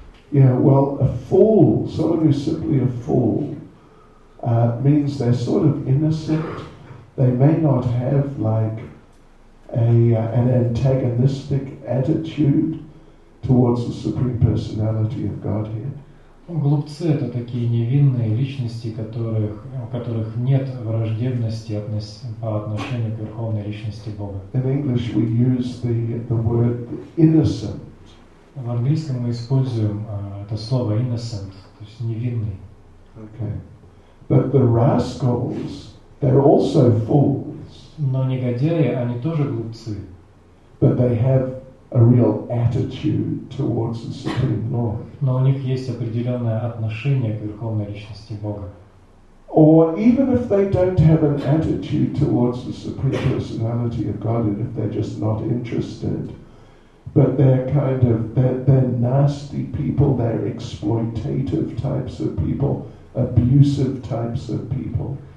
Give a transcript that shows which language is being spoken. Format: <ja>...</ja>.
<en>Yeah, well, a fool, someone who's simply a fool, means they're sort of innocent. They may not have like an antagonistic attitude towards the Supreme Personality of Godhead.</en> <ru>Глупцы это такие невинные личности, у которых нет враждебности по отношению к Верховной Личности Бога.</ru> <en>In English we use the word innocent.</en> <ru>В английском мы используем это слово innocent, то есть невинный.</ru> <en>Okay. But the rascals, they're also fools.</en> <ru>Но негодяи, они тоже глупцы.</ru> <en>But they have a real attitude towards the Supreme Lord.</en> <ru>Но у них есть определенное отношение к Верховной Личности Бога.</ru> <en>Or even if they don't have an attitude towards the Supreme Personality of God, and if they're just not interested, but they're nasty people, they're exploitative types of people, abusive types of people.</en>